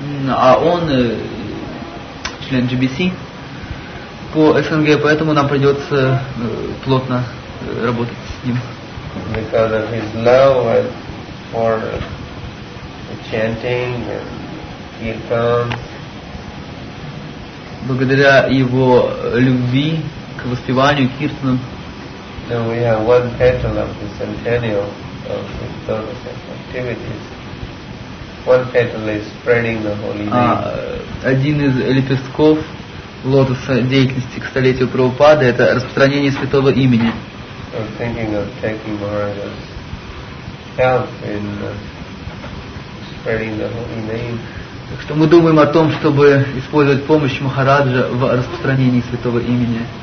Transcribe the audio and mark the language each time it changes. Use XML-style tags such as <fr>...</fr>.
<ru>А он член GBC по СНГ, поэтому нам придется плотно работать с ним.</ru> <en>Because of his love for chanting and kirtan.</en> <ru>Благодаря его любви к воспеванию, киртану.</ru> <en>Then we have one petal of the centennial of the Lotus activities. One petal is spreading the holy name.</en> <ru>Один из лепестков лотоса деятельности к столетию Прабхупады — это распространение святого имени.</ru> <en>I'm thinking of taking Maharaja's help in spreading the holy name.</en> <ru>Так что мы думаем о том, чтобы использовать помощь Махараджа в распространении святого имени.</ru>